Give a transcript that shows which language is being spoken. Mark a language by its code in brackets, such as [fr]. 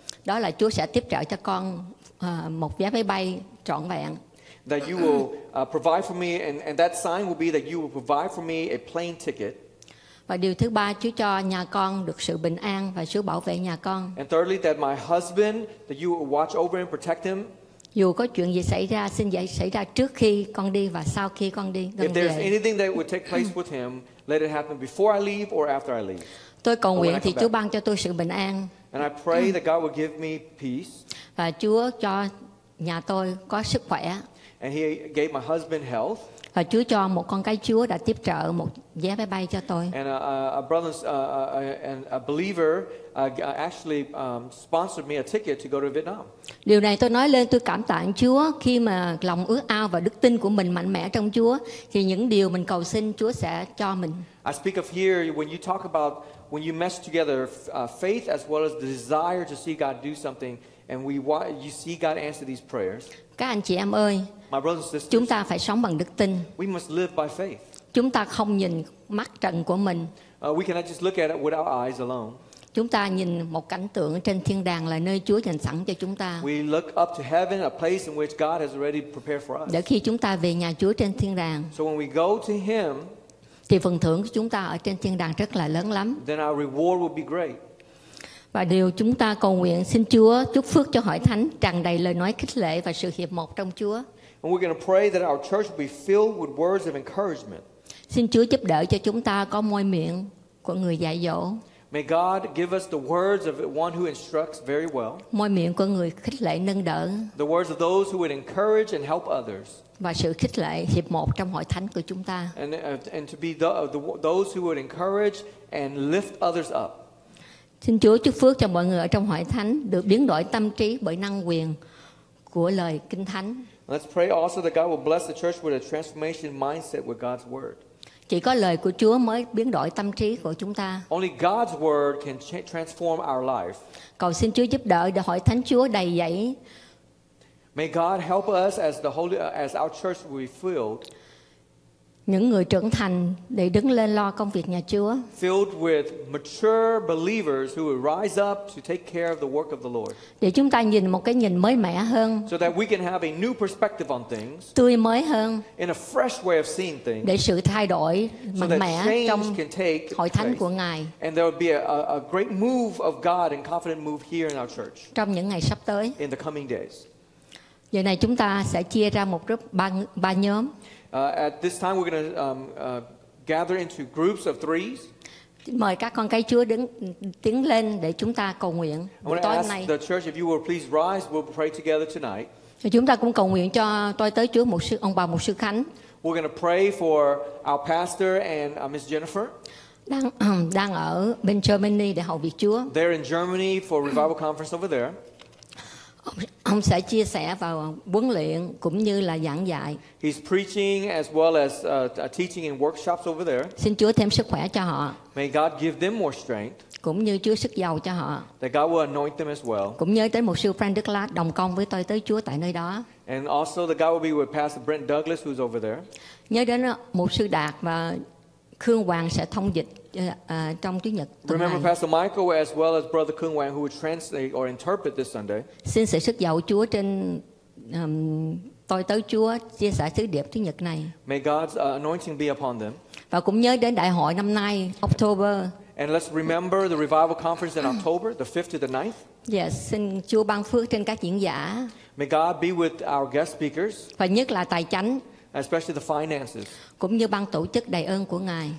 [vi] Đó là Chúa sẽ tiếp trợ cho con một vé máy bay trọn vẹn. [en] That you will provide for me, and that sign will be that you will provide for me a plane ticket. [vi] Và điều thứ ba, Chúa cho nhà con được sự bình an và Chúa bảo vệ nhà con. [en] And thirdly, that my husband, that you will watch over and protect him. [vi] Dù có chuyện gì xảy ra, xin dạy xảy ra trước khi con đi và sau khi con đi. [en] If there's anything that would take place with him, let it happen before I leave or after I leave. [vi] Tôi cầu nguyện thì Chúa ban cho tôi sự bình an. [en] And I pray that God will give me peace. [vi] Và Chúa cho nhà tôi có sức khỏe. [en] And he gave my husband health. [vi] Và Chúa cho một con cái Chúa đã tiếp trợ một vé máy bay cho tôi. [en] And a brother and a believer actually sponsored me a ticket to go to Vietnam. [vi] Điều này tôi nói lên tôi cảm tạ Chúa khi mà lòng ước ao và đức tin của mình mạnh mẽ trong Chúa thì những điều mình cầu xin Chúa sẽ cho mình. [en] I speak of here when you talk about when you mesh together faith as well as the desire to see God do something and you see God answer these prayers. [vi] Các anh chị em ơi, [en] my brothers and sisters, [vi] chúng ta phải sống bằng đức tin. [en] We must live by faith. [vi] Chúng ta không nhìn mắt trần của mình. [en] We cannot just look at it with our eyes alone. [vi] Chúng ta nhìn một cảnh tượng trên thiên đàng là nơi Chúa dành sẵn cho chúng ta. [en] We look up to heaven, a place in which God has already prepared for us. [vi] Để khi chúng ta về nhà Chúa trên thiên đàng, [en] so when we go to him, [vi] thì phần thưởng của chúng ta ở trên thiên đàng rất là lớn lắm. [en] Then our reward will be great. [vi] Và điều chúng ta cầu nguyện xin Chúa chúc phước cho hội thánh tràn đầy lời nói khích lệ và sự hiệp một trong Chúa. [en] And we're going to pray that our church will be filled with words of encouragement. [vi] Xin Chúa giúp đỡ cho chúng ta có môi miệng của người dạy dỗ. [en] May God give us the words of one who instructs very well. [vi] Môi miệng của người khích lệ nâng đỡ. [en] The words of those who would encourage and help others. [vi] Và sự khích lệ hiệp một trong hội thánh của chúng ta. [en] And to be those who would encourage and lift others up. [vi] Xin Chúa chúc phước cho mọi người ở trong hội thánh được biến đổi tâm trí bởi năng quyền của lời Kinh Thánh. [en] Let's pray also that God will bless the church with a transformation mindset with God's word. [vi] Chỉ có lời của Chúa mới biến đổi tâm trí của chúng ta. [en] Only God's word can transform our life. [vi] Cầu xin Chúa giúp đỡ để hội Thánh Chúa đầy dẫy. [en] May God help us as the holy as our church will be filled. [vi] Những người trưởng thành để đứng lên lo công việc nhà Chúa. [en] Filled with mature believers who will rise up to take care of the work of the Lord. [vi] Để chúng ta nhìn một cái nhìn mới mẻ hơn. [en] So that we can have a new perspective on things. [vi] Tươi mới hơn. [en] In a fresh way of seeing things. [vi] Để sự thay đổi mạnh mẽ trong [en] can take [vi] hội thánh của Ngài. [en] And there will be a great move of God and confident move here in our church. [vi] Trong những ngày sắp tới. [en] In the coming days. [vi] Giờ này chúng ta sẽ chia ra một group ba nhóm. [en] At this time, we're going to gather into groups of threes. [vi] Mời các con cái Chúa đứng tiến lên để chúng ta cầu nguyện tối nay. [en] The church, if you will please rise, we'll pray together tonight. [vi] Chúng ta cũng cầu nguyện cho tôi tới Chúa mục sư ông bà mục sư Khánh. [en] We're going to pray for our pastor and Miss Jennifer. [vi] Đang ở bên Germany để hầu việc Chúa. [en] They're in Germany for revival conference over there. [vi] Ông sẽ chia sẻ vào huấn luyện cũng như là giảng dạy. [en] He's preaching as well as teaching in workshops over there. [vi] Xin Chúa thêm sức khỏe cho họ. [en] May God give them more strength. [vi] Cũng như Chúa sức dầu cho họ. [en] That God will anoint them as well. [vi] Cũng nhớ tới mục sư Frank Douglas đồng công với tôi tới Chúa tại nơi đó. [en] And also that God will be with Pastor Brent Douglas who's over there. [vi] Nhớ đến mục sư Đạt và Khương Hoàng sẽ thông dịch trong thứ nhật. [en] Remember Pastor Michael as well as Brother Khương Hoàng who would translate or interpret this Sunday. [vi] Xin sự sức dầu Chúa trên tôi tới Chúa chia sẻ sứ điệp thứ nhật này. [en] May God's anointing be upon them. [vi] Và cũng nhớ đến đại hội năm nay October. [en] And let's remember the revival conference in October, the 5th to the 9th. [vi] Yes, xin Chúa ban phước trên các diễn giả. [en] May God be with our guest speakers. [vi] Và nhất là tài chánh. [en] Especially the finances. [vi] Cũng như ban tổ chức đầy ơn của Ngài.